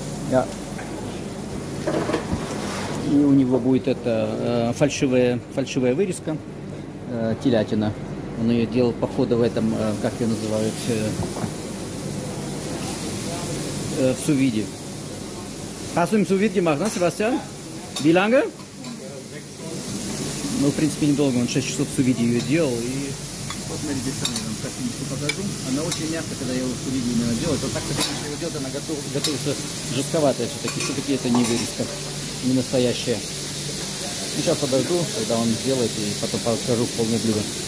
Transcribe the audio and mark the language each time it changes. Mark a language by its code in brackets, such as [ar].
[ru] Да. И у него будет это фальшивая вырезка телятина. Он ее делал походу в этом, как ее называют, в сувиде. [de] Hast du im Sous-Vide gemacht, ne, Sebastian? Wie lange? [ru] Ну, в принципе, недолго, он 6 часов в сувиде ее делал, и вот на ребятам я вам покажу. Она очень мягкая, когда я его в сувиде именно делаю. Вот так, когда я его делаю, она готовится жестковатая все-таки. Все-таки это не вырезка, не настоящая. Сейчас подожду, когда он сделает, и потом покажу полное блюдо.